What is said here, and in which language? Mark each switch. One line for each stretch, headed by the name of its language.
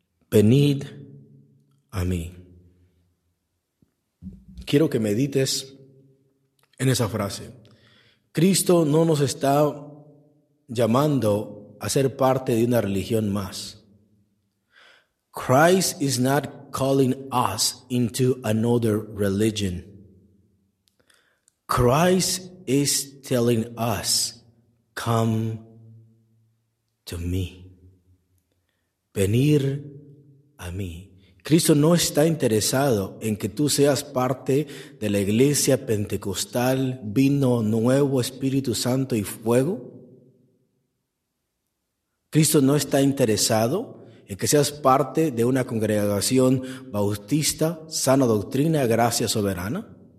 Spanish: Venid a mí. Quiero que medites en esa frase. Cristo no nos está llamando a ser parte de una religión más.
English: Christ is not calling us into another religion. Christ is telling us, come to me.
Spanish: Venir a mí. Cristo no está interesado en que tú seas parte de la iglesia pentecostal, vino nuevo, Espíritu Santo y fuego. Cristo no está interesado en que seas parte de una congregación bautista, sana doctrina, gracia soberana.